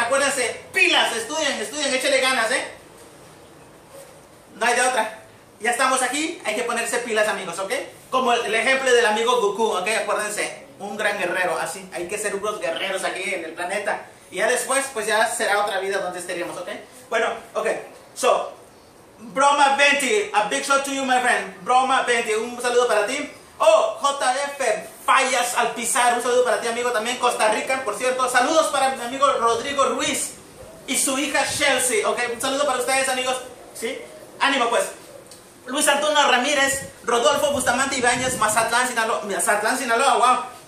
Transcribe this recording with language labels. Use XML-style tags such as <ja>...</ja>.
<es>Acuérdense, pilas, estudien, échale ganas, No hay de otra. Ya estamos aquí, hay que ponerse pilas, amigos, ¿ok? Como el ejemplo del amigo Goku, ¿ok? Acuérdense, un gran guerrero, así. Hay que ser unos guerreros aquí en el planeta. Y ya después, pues ya será otra vida donde estaríamos, ¿ok? Bueno, ok.</es> <en>So, Broma 20, a big shout to you, my friend.</en> <es>Broma 20, un saludo para ti. Oh, JF Fallas al Pizar, un saludo para ti, amigo, también. Costa Rica, por cierto. Saludos para mi amigo Rodrigo Ruiz y su hija Chelsea, ¿ok? Un saludo para ustedes, amigos, ¿sí? Ánimo, pues. Luis Antonio Ramírez, Rodolfo Bustamante Ibáñez, Mazatlán, Sinaloa, wow.</es>